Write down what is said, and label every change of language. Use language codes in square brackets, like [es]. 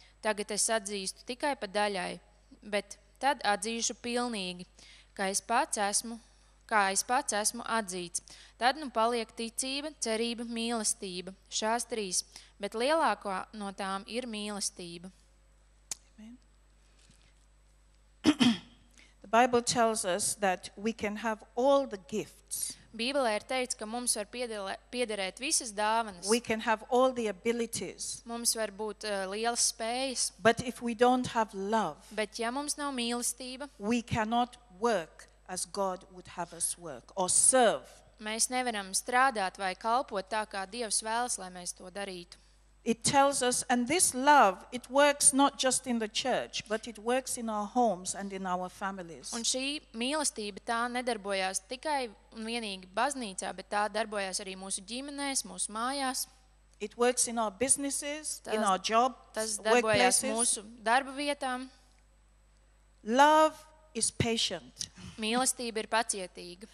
[lv] Tagad es atzīstu tikai pa daļai, bet tad atzīšu pilnīgi, kā es pats esmu atzīts. Tad nu paliek ticība, cerība, mīlestība. Šās trīs, bet lielākā no tām ir mīlestība. [en] The Bible tells us that we can have all the gifts. [lv] Bībelē ir teicis, ka mums var piederēt visas dāvanas. [en] We can have all the abilities. [lv] Mums var būt lielas spējas. [en] But if we don't have love. [lv] Bet ja mums nav mīlestība, [en] we cannot work as God would have us work or serve. [lv] Mēs nevaram strādāt vai kalpot tā kā Dievs vēlas, lai mēs to darītu. [en] It tells us, and this love, it works not just in the church, but it works in our homes and in our families. [lv] Un šī mīlestība tā nedarbojās tikai un vienīgi baznīcā, bet tā darbojās arī mūsu ģimenēs, mūsu mājās. [en] It works in our businesses, [lv] tas, [en] in our job, [lv] tas darbojās mūsu darba vietām. [en] Love is patient. [lv] Mīlestība ir pacietīga.